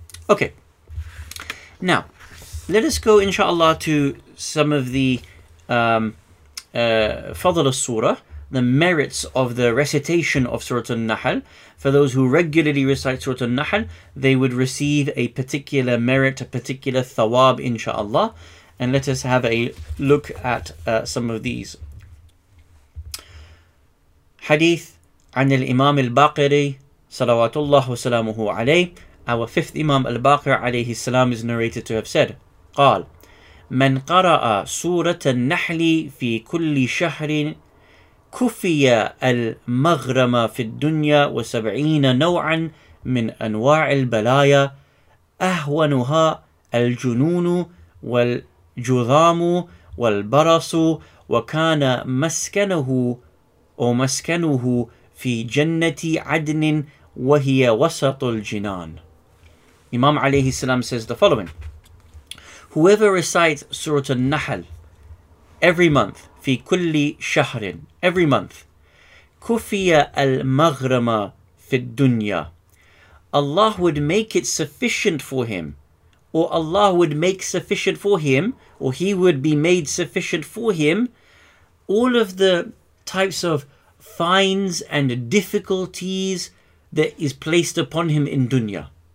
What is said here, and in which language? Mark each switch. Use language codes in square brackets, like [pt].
[en] Okay. Now, let us go, inshallah, to some of the Fadl al-Surah, the merits of the recitation of Surah An-Nahl. For those who regularly recite Surah An-Nahl, they would receive a particular merit, a particular thawab, inshallah. And let us have a look at some of these. [ar] Hadith عن الإمام الباقري صلوات الله وسلامه عليه. [en] Our fifth Imam al-Baqir عليه السلام is narrated to have said, [ar] قال من قرأ سورة النحل في كل شهر كفي المغرم في الدنيا وسبعين نوعا من أنواع البلايا أهونها الجنون والجذام والبرص وكان مسكنه ومسكنه في جنة عدن وهي وسط الجنان. [en] Imam alayhi salam says the following. Whoever recites Surah An-Nahl every month, [ar] fi kulli shahrin, [en] every month, [ar] kufiya al-maghrama fi dunya, [en] Allah would make it sufficient for him, or Allah would make sufficient for him, or he would be made sufficient for him, all of the types of fines and difficulties that is placed upon him in dunya.